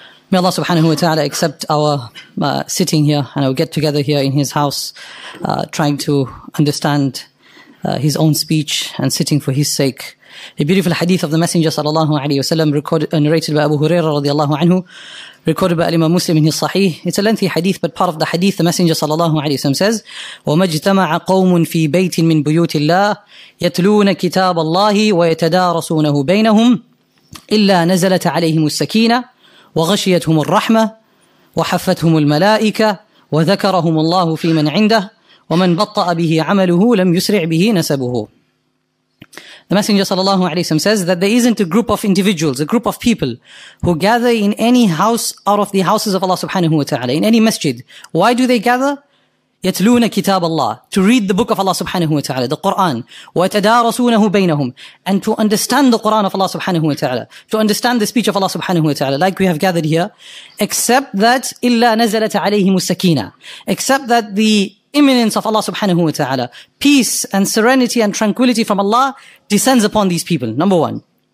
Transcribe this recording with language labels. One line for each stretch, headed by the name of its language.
English: May Allah subhanahu wa ta'ala accept our sitting here and our get together here in his house, trying to understand his own speech and sitting for his sake. A beautiful hadith of the Messenger sallallahu alayhi wa sallam, narrated by Abu Huraira radiallahu anhu, recorded by Imam Muslim in his Sahih. It's a lengthy hadith, but part of the hadith, the Messenger sallallahu alayhi wa sallam says,
Arabic: وَمَجْتَمَعَ قَوْمٌ فِي بَيْتٍ مِّن بُيُوتِ اللَّهِ يَتْلُونَ كِتَابَ اللَّهِ وَيَتَدَارَسُونَهُ بَيْنَهُمْ إِلَّا نَزَلَتَ عَلَيْهِمُ السَّكِينَةُ وَغَشِيَتْهُمُ الرَّحْمَةُ وَحَفَّتْهُمُ الْمَلَائِكَةُ وَذَكَرَهُمُ اللَّهُ فِي مَنْ عِنْدَهُ وَمَنْ بَطَّأَ بِهِ عَمَلُهُ لَمْ يُسْرِعْ بِهِ نَسَبُهُ.
English: The Messenger sallallahu alayhi wa sallam says that there isn't a group of individuals, a group of people who gather in any house out of the houses of Allah subhanahu wa ta'ala, in any masjid. Why do they gather?
Arabic: يَتْلُونَ كِتَابَ اللَّهِ,
English: to read the book of Allah subhanahu wa ta'ala, the Qur'an.
Arabic: وَتَدَارَسُونَهُ بَيْنَهُمْ,
English: and to understand the Qur'an of Allah subhanahu wa ta'ala, to understand the speech of Allah subhanahu wa ta'ala, like we have gathered here, except that
Arabic: إِلَّا نَزَلَتَ عَلَيْهِمُ السَّكِينَةُ,
English: except that the imminence of Allah subhanahu wa ta'ala, peace and serenity and tranquility from Allah descends upon these people, number one.